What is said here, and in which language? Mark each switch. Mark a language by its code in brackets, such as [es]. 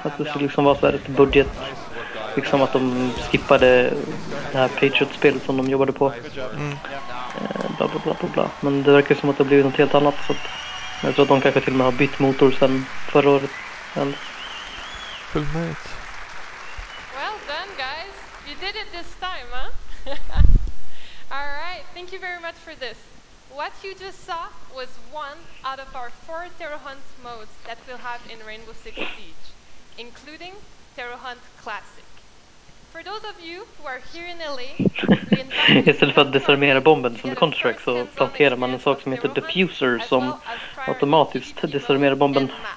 [sv] Att det skulle liksom vara så här ett budget, liksom att de skippade det här Patriot-spelet som de jobbade på. Bla bla bla bla bla. Men det verkar som att det har blivit något helt annat, så att jag tror att de kanske till och med har bytt motor sedan förra året. [en] Full mate. Well done guys, you did it this time, huh? All right, thank you very much for this. What you just saw was one out of our 4 Terror Hunt modes that we'll have in Rainbow Six Siege, including Terror Hunt Classic. For those of you who are here in LA, [sv] istället för att desarmera bomben som Counter-Strike så planterar man en sak som heter diffuser som automatiskt desarmerar bomben.